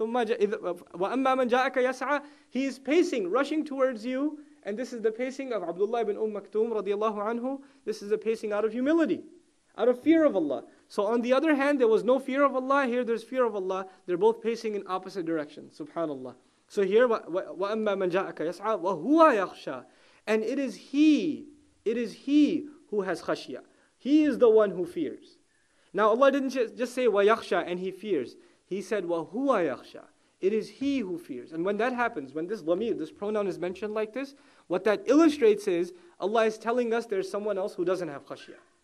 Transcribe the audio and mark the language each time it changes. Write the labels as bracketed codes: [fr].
[ar] وَأَمَّا مَنْ جَاءَكَ يَسْعَى. [en] He's pacing, rushing towards you. And this is the pacing of Abdullah ibn Maktum radiallahu anhu. This is a pacing out of humility, out of fear of Allah. So on the other hand, there was no fear of Allah. Here there's fear of Allah. They're both pacing in opposite directions. Subhanallah. So here, [ar] وَأَمَّا مَنْ جَاءَكَ يَسْعَى وَهُوَ يَخْشَى. [en] And it is he who has khashya. He is the one who fears. Now Allah didn't just say وَيَخْشَى and he fears. He said [ar] وَهُوَ يَخْشَى. [en] It is he who fears. And when that happens, when this lamir, this pronoun is mentioned like this, what that illustrates is Allah is telling us there's someone else who doesn't have khashya.